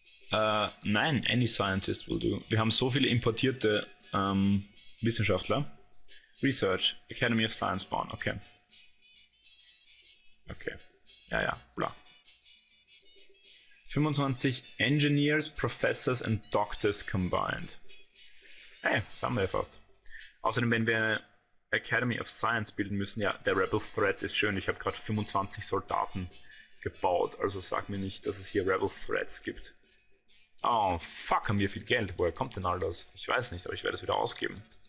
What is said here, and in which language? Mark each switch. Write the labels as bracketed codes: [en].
[de] Nein, [en] any scientist will do. [de] Wir haben so viele importierte Wissenschaftler. Research, Academy of Science bauen, okay. [en] Okay, ja, bla. 25 Engineers, Professors and Doctors combined. [de] Hey, das haben wir fast. Außerdem, wenn wir Academy of Science bilden müssen, ja, der Rebel Threat ist schön, ich habe gerade 25 Soldaten gebaut, also sag mir nicht, dass es hier Rebel Threats gibt. Oh, fuck, haben wir viel Geld, woher kommt denn all das? Ich weiß nicht, aber ich werde es wieder ausgeben.